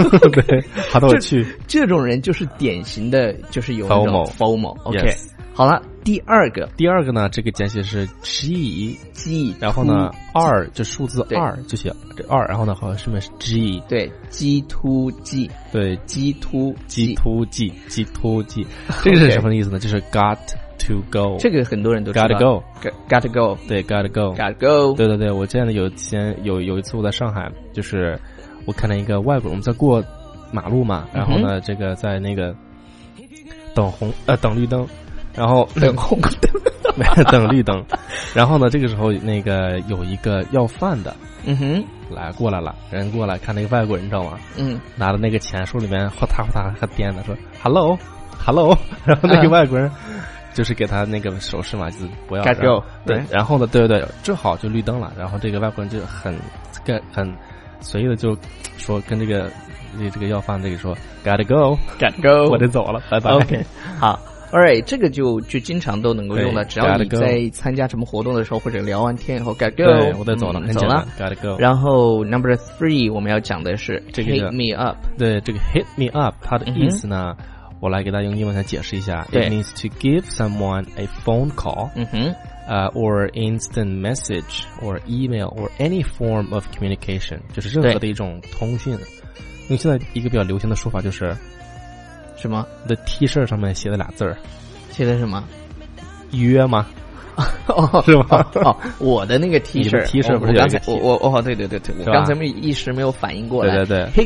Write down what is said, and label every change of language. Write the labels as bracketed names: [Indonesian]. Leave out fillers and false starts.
[Chinese] 对，他都去。这种人就是典型的，就是有那种 FOMO。 OK，、 [English] yes. [Chinese] 好了，第二个呢，这个简写是 G， 然后呢 2就数字2就写这2，然后呢好像是不是 G，对 G to G，对 G to G to G G to G， 这个是什么意思呢、 [English] okay. [Chinese] 就是 got to go，这个很多人都知道 got to go，对对对，我记得有一次我在上海，就是我看到一个外国人，我们在过马路嘛，然后呢、这个在那个等绿灯，然后等红灯，没有等绿灯。然后呢，这个时候那个有一个要饭的，嗯哼，来过来了，人过来看那个外国人，知道吗？嗯，拿着那个钱，手里面哗嗒哗嗒还颠的，说 "hello hello"，然后那个外国人。就是给他那个手势嘛，就是不要给我。对，然后呢，对对对，正好就绿灯了。然后这个外国人就很随意的就说跟这个要饭这个说 gotta go [English] gotta go， [Chinese] 我得走了，拜拜。 OK， 好 ，Alright， 这个就经常都能够用的，只要你在参加什么活动的时候或者聊完天以后 gotta go，对，我得走了，走了 [English] gotta go。 [Chinese] 然后 number three 我们要讲的是这个 [English] hit me up， [Chinese] 对，这个 hit me up 它的意思呢。 [English] Mm-hmm. 我来给大家用英文来解释一下 It means to give someone a phone call、or instant message or email or any form of communication，就是任何的一种通讯。 [Chinese] 因为现在一个比较流行的说法就是什么 The T-shirt 上面写的俩字儿，写的什么约吗哦，是吗？哦，我的那个 T 恤，你的 T 恤不是我刚才，对对对对，我刚才一时没有反应过来，对对对